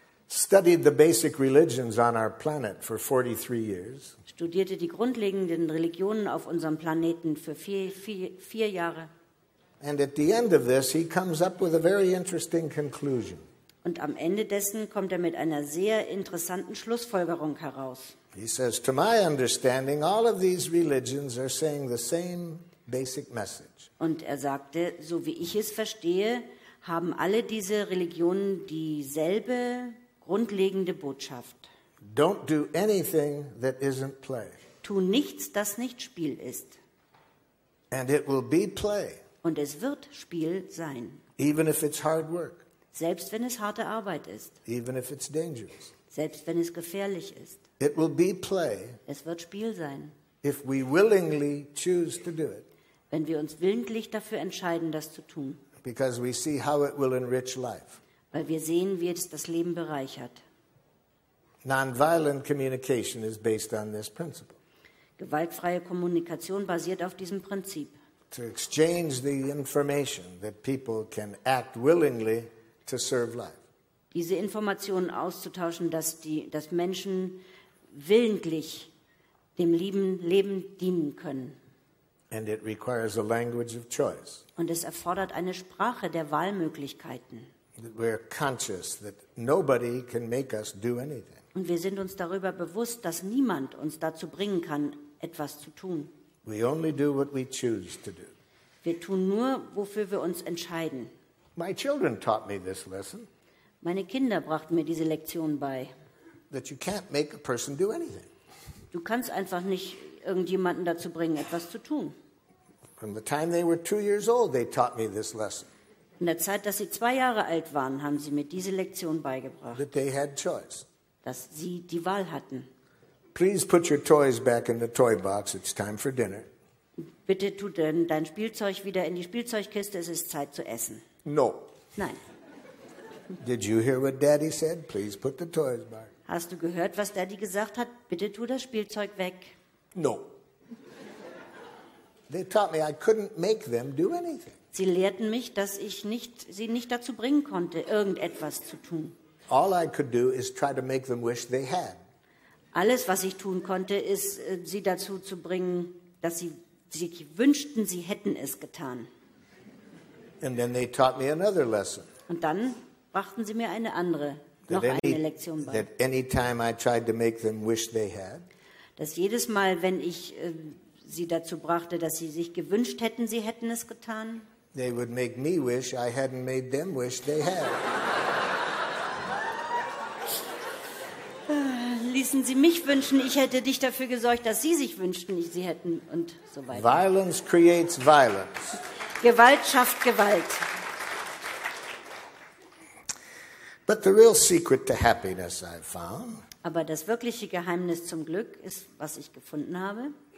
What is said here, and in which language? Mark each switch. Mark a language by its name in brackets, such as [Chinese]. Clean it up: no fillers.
[English] Studied the basic religions on our planet for 43 years. [German] Studierte die grundlegenden Religionen auf unserem Planeten für vier Jahre. [English] And at the end of this, he comes up with a very interesting conclusion. [German] Und am Ende dessen kommt mit einer sehr interessanten Schlussfolgerung heraus. [English] He says, to my understanding, all of these religions are saying the same basic message. [German] Und sagte, so wie ich es verstehe, haben alle diese Religionen dieselbe grundlegende Botschaft. [English] Don't do anything that isn't play. [German] Tu nichts, das nicht Spiel ist. [English] And it will be play. [German] Und es wird Spiel sein. [English] Even if it's hard work. [German] Selbst wenn es harte Arbeit ist. [English] Even if it's dangerous. [German] Selbst wenn es gefährlich ist. [English] It will be play. [German] Es wird Spiel sein. [English] If we willingly choose to do it. [German] Wenn wir uns willentlich dafür entscheiden, das zu tun. [English] Because we see how it will enrich life. [German] Weil wir sehen, wie es das Leben bereichert. [English] Nonviolent communication is based on this principle. [German] Gewaltfreie Kommunikation basiert auf diesem Prinzip. [English] To exchange the information that people can act willingly to serve life. [German] Diese Informationen auszutauschen, dass Menschen willentlich dem lieben Leben dienen können. [English] And it requires a language of choice. [German] Und es erfordert eine Sprache der Wahlmöglichkeiten. [English] That we're conscious that nobody can make us do anything. [German] Und wir sind uns darüber bewusst, dass niemand uns dazu bringen kann, etwas zu tun. [English] We only do what we choose to do. [German] Wir tun nur, wofür wir uns entscheiden. [English] My children taught me this lesson. [German] Meine Kinder brachten mir diese Lektion bei. [English] That you can't make a person do anything. [German] Du kannst einfach nicht irgendjemanden dazu bringen, etwas zu tun. [English] From the time they were 2 years old, they taught me this lesson. [German] In der Zeit, dass sie 2 Jahre alt waren, haben sie mir diese Lektion beigebracht. [English] That they had choice. [German] Dass sie die Wahl hatten. [English] Please put your toys back in the toy box. It's time for dinner. [German] Bitte tu denn dein Spielzeug wieder in die Spielzeugkiste. Es ist Zeit zu essen. [English] No. [German] Nein. [English] Did you hear what Daddy said? Please put the toys back. [German] Hast du gehört, was Daddy gesagt hat? Bitte tu das Spielzeug weg. [English] No. They taught me I couldn't make them do anything. [German] Sie lehrten mich, dass ich sie nicht dazu bringen konnte, irgendetwas zu tun. [English] All I could do is try to make them wish they had. [German] Alles, was ich tun konnte, ist, sie dazu zu bringen, dass sie wünschten, sie hätten es getan. [English] And then they taught me another lesson. [German] Und dann brachten sie mir eine andere, eine Lektion bei. [English] That any time I tried to make them wish they had. [German] Dass jedes Mal, wenn ich sie dazu brachte, dass sie sich gewünscht hätten, sie hätten es getan. [English] They would make me wish I hadn't made them wish they had. [German] Ließen sie mich wünschen, ich hätte dich dafür gesorgt, dass sie sich wünschten, ich sie hätten und so weiter. [English] Violence creates violence. [German] Gewalt schafft Gewalt. [English] But the real secret to happiness I found. [German] Aber das wirkliche Geheimnis zum Glück ist, was ich gefunden habe.